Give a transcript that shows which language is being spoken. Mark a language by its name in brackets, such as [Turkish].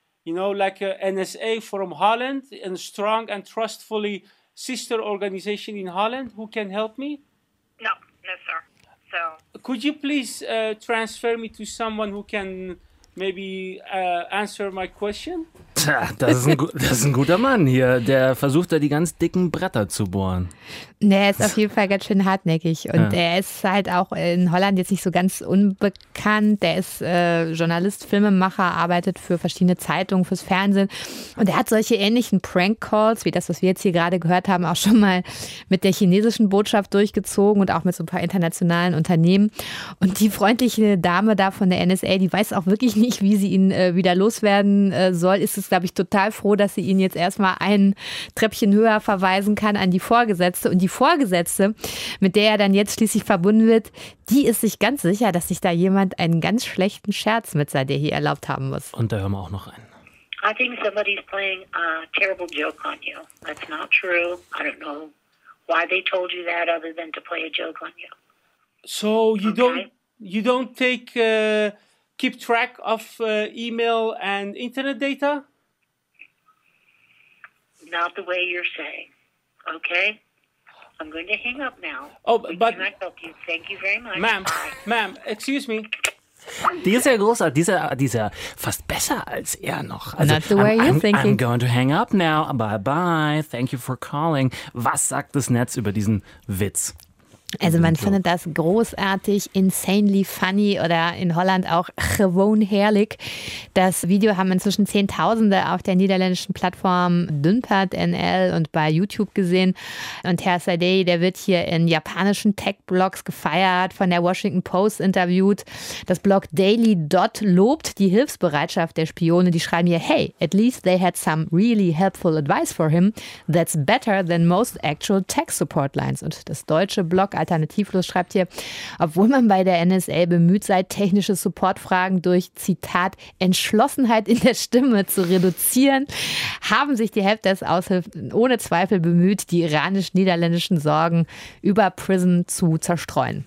[English] You know, like a NSA from Holland and strong and trustfully sister organization in Holland who can help me? No, sir. So. Could you please transfer me to someone who can maybe answer my question? [German] Tja, das ist ein guter Mann hier, der versucht da die ganz dicken Bretter zu bohren. Nee, ist auf jeden Fall ganz schön hartnäckig und ja. Er ist halt auch in Holland jetzt nicht so ganz unbekannt. Der ist Journalist, Filmemacher, arbeitet für verschiedene Zeitungen, fürs Fernsehen und er hat solche ähnlichen Prank-Calls wie das, was wir jetzt hier gerade gehört haben, auch schon mal mit der chinesischen Botschaft durchgezogen und auch mit so ein paar internationalen Unternehmen. Und die freundliche Dame da von der NSA, die weiß auch wirklich nicht, wie sie ihn wieder loswerden soll, ist es, glaube ich, total froh, dass sie ihn jetzt erstmal ein Treppchen höher verweisen kann an die Vorgesetzte. Und die Vorgesetzte, mit der er dann jetzt schließlich verbunden wird, die ist sich ganz sicher, dass sich da jemand einen ganz schlechten Scherz mit Sadehi erlaubt haben muss. Und da hören wir auch noch rein. [English] I think somebody's playing a terrible joke on you. That's not true. I don't know why they told you that other than to play a joke on you. So you don't keep track of email and internet data? Not the way you're saying. Okay? I'm going to hang up now. Oh, but can I help you? Thank you very much. Ma'am, excuse me. [German] Die ist ja großartig, dieser fast besser als er noch. [English] Also, not the way you're thinking. I'm going to hang up now. Bye-bye. Thank you for calling. [German] Was sagt das Netz über diesen Witz? Also man findet das großartig, [English] insanely funny [German] oder in Holland auch [Dutch] gewoon heerlijk. [German] Das Video haben inzwischen Zehntausende auf der niederländischen Plattform DunpertNL und bei YouTube gesehen. Und Herr Sadei, der wird hier in japanischen Tech-Blogs gefeiert, von der Washington Post interviewt. Das Blog Daily Dot lobt die Hilfsbereitschaft der Spione. Die schreiben hier, [English] hey, at least they had some really helpful advice for him. That's better than most actual tech-support lines. [German] Und das deutsche Blog Alternativlos schreibt hier, obwohl man bei der NSA bemüht sei, technische Supportfragen durch, Zitat, Entschlossenheit in der Stimme zu reduzieren, haben sich die Helpdesk-Aushilfen ohne Zweifel bemüht, die iranisch-niederländischen Sorgen über Prism zu zerstreuen.